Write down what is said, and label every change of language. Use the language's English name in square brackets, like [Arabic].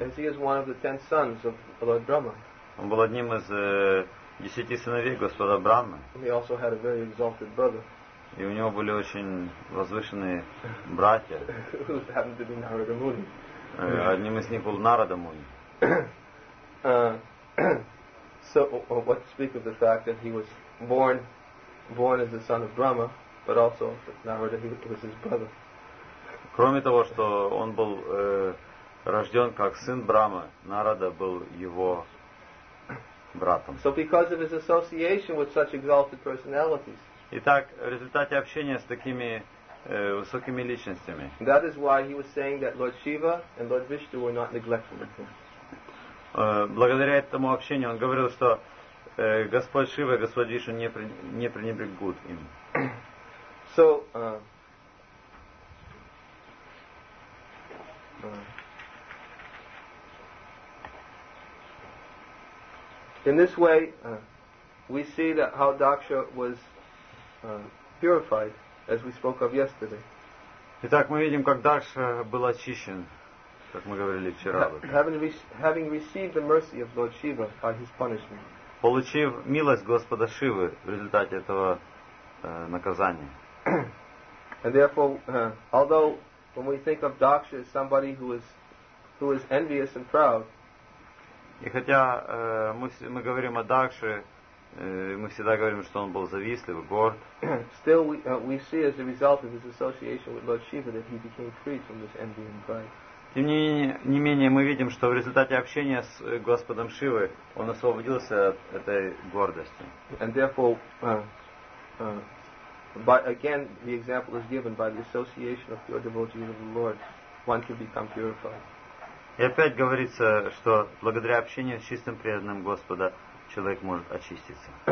[English] As he is one of the 10 sons of Lord Brahma. [Russian] Он был одним из 10 сыновей Господа Брахмы. [English] He also had a very exalted brother. [Russian] И у него были очень возвышенные братья. [English] Who happened to be Narada Muni. [Russian] Одним из них был Нарада Муни. [English] What to speak of the fact that he was born as the son of Brahma, but also Narada, he was his brother. [Russian] Кроме того, что он был рожден как сын Брахмы, Нарада был его братом. [English] So because of his association with such exalted personalities. [Russian] Итак, в результате общения с такими высокими личностями. [English] That is why he was saying that Lord Shiva and Lord Vishnu were not neglectful of him. [Russian] Благодаря этому общению он говорил, что Господь Шива и Господь Вишну не пренебрегут им. [English] So, in this way, we see that how Daksha was purified. as we spoke of yesterday. [Russian] Итак, мы видим, как Дарша был очищен, как мы говорили вчера. [English] Having received the mercy of Lord Shiva by his punishment. [Russian] Получив милость Господа Шивы в результате этого наказания. [English] And therefore, although when we think of Daksha as somebody who is envious and proud, [Russian] и хотя мы говорим о Дакше, мы всегда говорим, что он был завистлив, горд. [English] Still, we see as a result of his association with Lord Shiva that he became free from this envy and pride. [Russian] Тем не менее, мы видим, что в результате общения с Господом Шивой он освободился от этой гордости. [English] And therefore, but again, the example is given by the association of pure devotees of the Lord, one can become purified. [Russian] И опять говорится, что благодаря общению с чистым преданным Господа человек может очиститься.